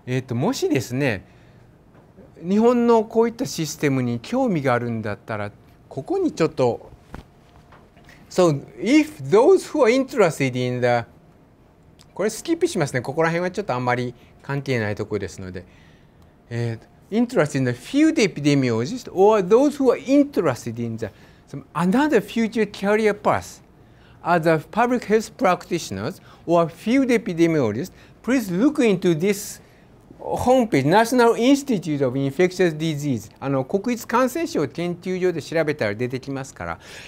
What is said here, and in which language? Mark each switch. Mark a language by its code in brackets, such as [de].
[ja] もしですね、日本のこういったシステムに興味があるんだったら、ここにちょっと。 [en] So, if those who are interested in the. [ja] これスキップしますね。ここら辺はちょっとあんまり関係ないところですので。 [en] Interested in the field epidemiologist or those who are interested in the some another future career path as a public health practitioners or field epidemiologist, please look into this. [ja] ホームページ、National Institute of Infectious Disease、国立感染症研究所で調べたら出てきますから。